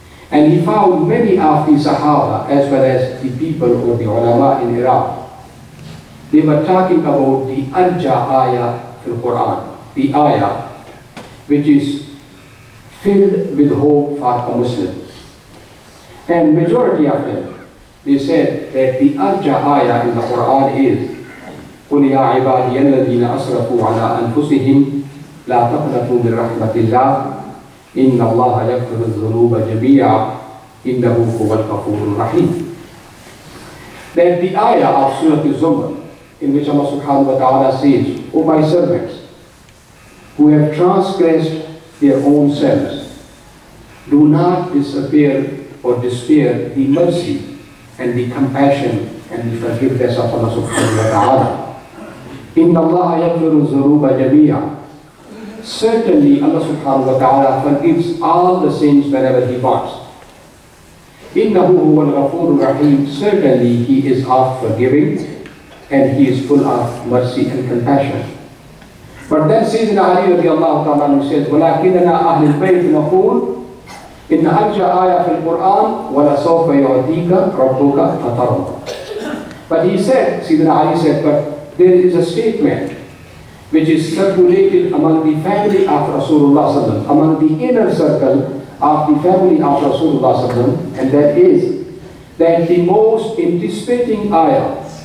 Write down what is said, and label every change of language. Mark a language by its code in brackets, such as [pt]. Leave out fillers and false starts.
[en] And he found many of the Sahaba, as well as the people or the ulama in Iraq, they were talking about the Arja ayah in the Quran, the ayah, which is filled with hope for a Muslim. And majority of them, they said that the Arja ayah in the Quran is, [ar] قُلْ يَا عِبَادِيَ الَّذِينَ أَسْرَفُوا عَلَىٰ أَنفُسِهِمْ لَا تَقْنَطُوا مِنْ رَحْمَةِ اللَّهِ إِنَّ اللَّهَ يَغْفِرُ الذُّنُوبَ جَمِيعًا إِنَّهُ هُوَ الْغَفُورُ الرَّحِيمُ. [en] That the ayah of Surah Az-Zumar, in which Allah subhanahu wa ta'ala says, O my servants, who have transgressed their own selves, do not disappear or despair the mercy and the compassion and the forgiveness of Allah subhanahu wa ta'ala. [ar] إِنَّ اللَّهَ يَغْفِرُ الذُّنُوبَ جَمِيعًا. [en] Certainly Allah subhanahu wa ta'ala forgives all the sins whenever He wants. [ar] إِنَّهُ هُوَ الْغَفُورُ الرَّحِيمُ. [en] Certainly He is of forgiving and He is full of mercy and compassion. But then Sayyidina Ali radiallahu ta'ala says, [ar] وَلَكِنَّنَا أَهْلِ الْبَيْتِ نَقُولُ إِنَّ أَرْجَى آيَةَ فِي الْقُرْآنِ وَلَسَوْفَ يُعْطِيكَ رَبُّكَ فَتَرْضَى. [en] But he said, Sayyidina Ali said, but there is a statement which is circulated among the family of Rasulullah sallam, among the inner circle of the family of Rasulullah sallam, and that is that the most anticipating ayah,